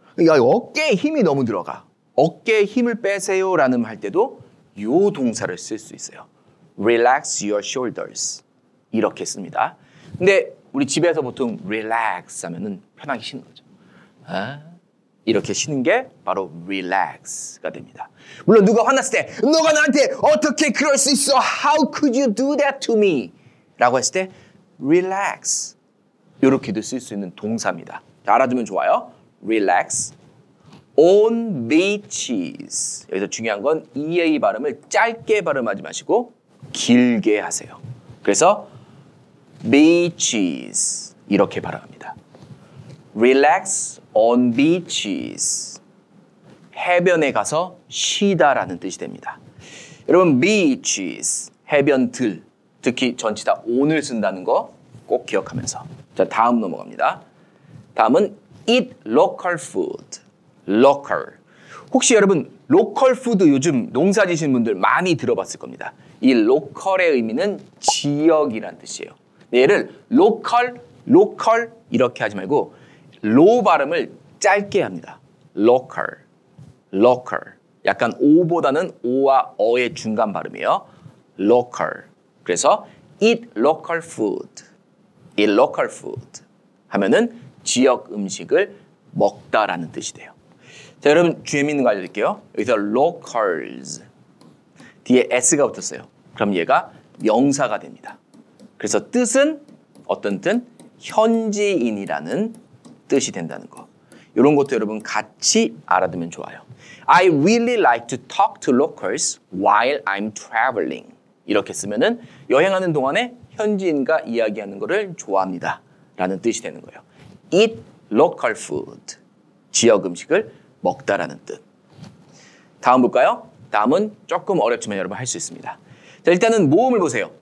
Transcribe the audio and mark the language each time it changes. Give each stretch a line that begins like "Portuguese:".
Korean: 야, 어깨에 힘이 너무 들어가. 어깨에 힘을 빼세요 라는 말 할 때도 이 동사를 쓸 수 있어요.
English: Relax your shoulders.
Korean: 이렇게 씁니다. 근데 우리 집에서 보통 relax 하면은 편하게 쉬는 거죠. 아? 이렇게 쉬는 게 바로 relax가 됩니다. 물론 누가 화났을 때 너가 나한테 어떻게 그럴 수 있어?
English: How could you do that to me?
Korean: 라고 했을 때 relax. 이렇게도 쓸 수 있는 동사입니다. 알아두면 좋아요.
English: Relax. On beaches.
Korean: 여기서 중요한 건 EA 발음을 짧게 발음하지 마시고 길게 하세요. 그래서 beaches 이렇게 발음합니다.
English: Relax on beaches.
Korean: 해변에 가서 쉬다라는 뜻이 됩니다. 여러분 beaches, 해변들 특히 전치사 on을 쓴다는 거 꼭 기억하면서 자 다음 넘어갑니다. 다음은
English: eat local food. local.
Korean: 혹시 여러분 로컬 푸드 요즘 농사 지신 분들 많이 들어봤을 겁니다. 이 로컬의 의미는 지역이란 뜻이에요. 얘를 로컬, 로컬 이렇게 하지 말고 로 발음을 짧게 합니다. 로컬, 로컬. 약간 오보다는 오와 어의 중간 발음이에요. 로컬.
English: 그래서 eat local food. eat local food.
Korean: 하면은 지역 음식을 먹다라는 뜻이 돼요. 자, 여러분 주의 있는 거 알려드릴게요. 여기서 locals 뒤에 s가 붙었어요. 그럼 얘가 명사가 됩니다. 그래서 뜻은 어떤 뜻? 현지인이라는 뜻이 된다는 거. 이런 것도 여러분 같이 알아두면 좋아요.
English: I really like to talk to locals while I'm traveling.
Korean: 이렇게 쓰면은 여행하는 동안에 현지인과 이야기하는 거를 좋아합니다. 라는 뜻이 되는 거예요.
English: Eat local food.
Korean: 지역 음식을 먹다라는 뜻. 다음 볼까요? 다음은 조금 어렵지만 여러분 할 수 있습니다. 자, 일단은 모음을 보세요.